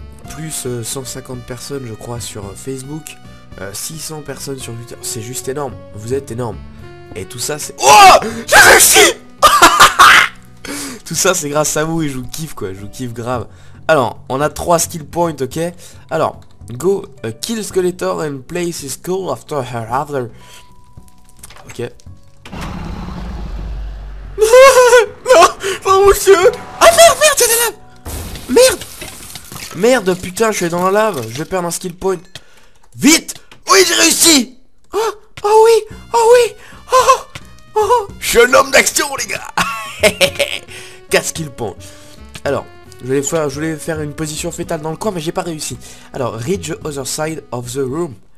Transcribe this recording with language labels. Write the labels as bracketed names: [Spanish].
[French] Plus 150 personnes je crois sur Facebook, 600 personnes sur Twitter, c'est juste énorme, vous êtes énorme. Et tout ça c'est... Oh, j'ai réussi. Tout ça c'est grâce à vous et je vous kiffe quoi, je vous kiffe grave. Alors, on a 3 skill points, ok. Alors, [English] go, kill Skeletor and place his skull after her other. Ok. [French] Non, oh monsieur. Ah merde, c'est la lave. Merde. Merde, putain, je suis dans la lave, je vais perdre un skill point. Vite. Oui, j'ai réussi. Oh, oh oui, oh oui. Oh, oh. Je suis un homme d'action, les gars. 4 skill points. Alors, je voulais faire une position fétale dans le coin, mais j'ai pas réussi. Alors, [English] reach the other side of the room.